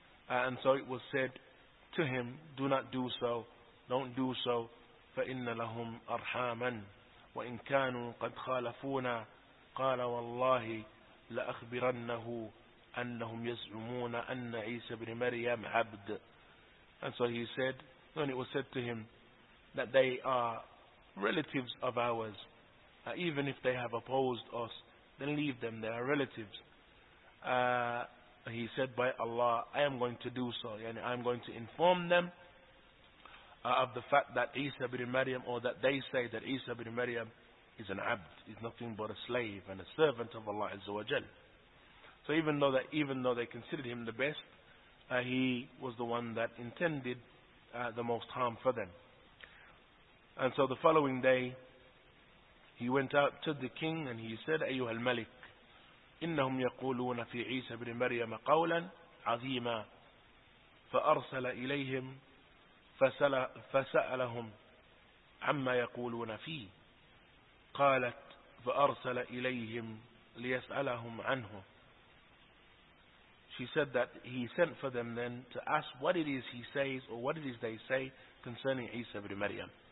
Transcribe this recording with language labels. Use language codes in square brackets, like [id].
[en] And so it was said to him, do not do so, [ar] don't do so, فَإِنَّ لَهُمْ أَرْحَامًا وَإِنْ كَانُوا قَدْ خَالَفُونَا قَالَ وَاللَّهِ لَأَخْبِرَنَّهُ أَنَّهُمْ يَزْعُمُونَ أَنَّ عِيسَى بْنِ مَرْيَمْ عَبْدٌ. [en] And so he said, then it was said to him, that they are relatives of ours. Even if they have opposed us, then leave them, they are relatives. He said, by Allah, I am going to do so. Yani I am going to inform them of the fact that Isa ibn Maryam, or that they say that Isa ibn Maryam is an abd, is nothing but a slave and a servant of Allah Azza wa Jal. So even though they considered him the best, he was the one that intended the most harm for them. And so the following day, he went out to the king and he said, [ar] أيها الملك, إنهم يقولون في عيسى بن مريم قولا عظيما فأرسل إليهم فسألهم عما يقولون فيه قالت فأرسل إليهم ليسألهم عنه. [en] She said that he sent for them then to ask what it is he says, or what it is they say concerning Isa ibn Maryam.